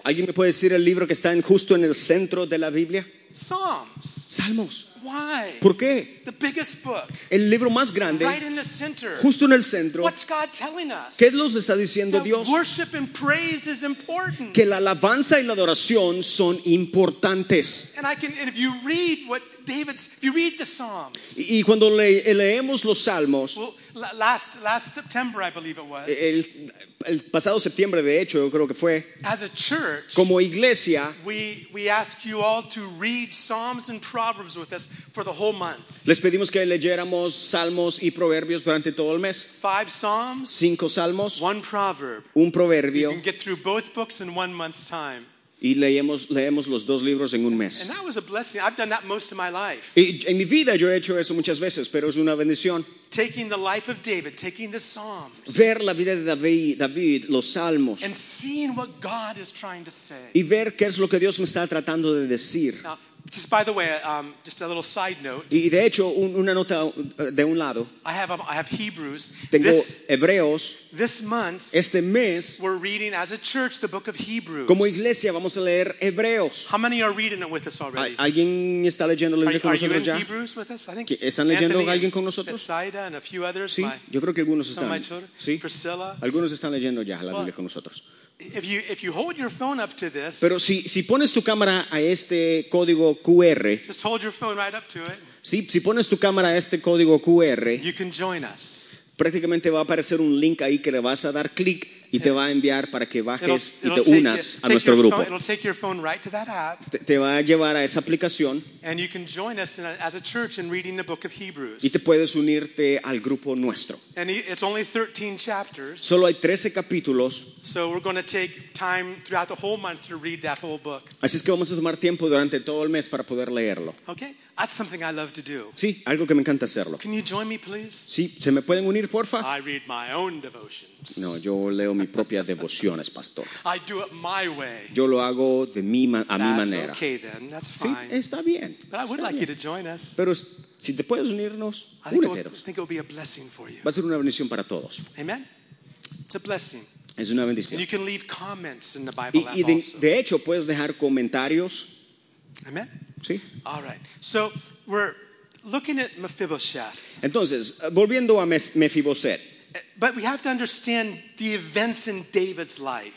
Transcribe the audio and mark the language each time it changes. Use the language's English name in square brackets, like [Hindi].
[Spanish] ¿Alguien me puede decir el libro que está justo en el centro de la Biblia? [English] Psalms. [Spanish] Salmos. [English] Why? [Spanish] ¿Por qué? [English] The biggest book. [Spanish] El libro más grande. [English] Right in the center. [Spanish] Justo en el centro. [English] What's God telling us? [Spanish] ¿Qué es lo que está diciendo [English] the [Spanish] Dios? [English] Worship and praise is important. [Spanish] Que la alabanza y la adoración son importantes. [English] And I can, and if you read what David's, if you read the Psalms. [Spanish] Y cuando leemos los Salmos. [English] Well, last September, I believe it was. [Spanish] El pasado septiembre, de hecho, yo creo que fue. [English] As a church, [Spanish] como iglesia, [English] we ask you all to read Psalms and Proverbs with us for the whole month. [Spanish] Les pedimos que leyéramos Salmos y Proverbios durante todo el mes. [English] 5 Psalms, [Spanish] 5 Salmos, [English] 1 Proverb, [Spanish] un proverbio. [English] You can get through both books in 1 month's time. [Spanish] Y leemos los dos libros en un mes. [English] And that was a blessing. I've done that most of my life. [Spanish] Y en mi vida yo he hecho eso muchas veces, pero es una bendición. [English] Taking the life of David, taking the Psalms. [Spanish] Ver la vida de David, los Salmos. [English] And seeing what God is trying to say. [Spanish] Y ver qué es lo que Dios me está tratando de decir. [English] Now, just by the way, just a little side note. [Spanish] Y de hecho, una nota de un lado. [English] I have Hebrews. [Spanish] Tengo Hebreos. [English] This month, [Spanish] este mes, [English] we're reading as a church the book of Hebrews. [Spanish] Como iglesia vamos a leer Hebreos. [English] How many are reading it with us already? [Spanish] ¿Alguien está leyendo el libro con nosotros ya? [English] Are you in Hebrews with us? I think. [Spanish] ¿Están leyendo alguien con nosotros? [English] Bethsaida and a few others. [Spanish] Sí, yo creo que algunos están. [English] Some of my children. [Spanish] Sí. [English] Priscilla. [Spanish] Algunos están leyendo ya la Biblia con nosotros. [English] If you hold your phone up to this, [Spanish] pero si pones tu cámara a este código QR, [English] just hold your phone right up to it. [Spanish] Si pones tu cámara a este código QR, [English] you can join us. [Spanish] Prácticamente va a aparecer un link ahí que le vas a dar clic y te va a enviar para que bajes y te unas a nuestro grupo. [English] It'll take your phone right to that app. [Spanish] Te va a llevar a esa aplicación. [English] And you can join us as a church in reading the book of Hebrews. [Spanish] Y te puedes unirte al grupo nuestro. [English] And it's only 13 chapters. [Spanish] Solo hay 13 capítulos. [English] So we're going to take time throughout the whole month to read that whole book. [Spanish] Así es que vamos a tomar tiempo durante todo el mes para poder leerlo. [English] Okay. That's something I love to do. [Spanish] Sí, algo que me encanta hacerlo. [English] Can you join me, please? [Spanish] Sí, ¿se me pueden unir, porfa? [English] I read my own devotions. [Spanish] No, yo leo mis propias devociones, pastor. [English] I do it my way. [Spanish] Yo lo hago de mi a [English] That's [Spanish] mi manera. [English] That's okay then. That's fine. [Spanish] Sí, está bien. [English] But I would [Spanish] está [English] like bien. You to join us. [Spanish] Pero si te puedes unirnos, úneteros. [English] I think it'll be a blessing for you. [Spanish] Va a ser una bendición para todos. [English] Amen. It's a blessing. [Spanish] Es una bendición. [English] And you can leave comments in the Bible app also. [Spanish] De hecho, puedes dejar comentarios. [English] Amen. [Spanish] Sí. [English] All right. So we're looking at Mephibosheth. [Spanish] Entonces, volviendo a Mephibosheth. [English] But we have to understand the events in David's life.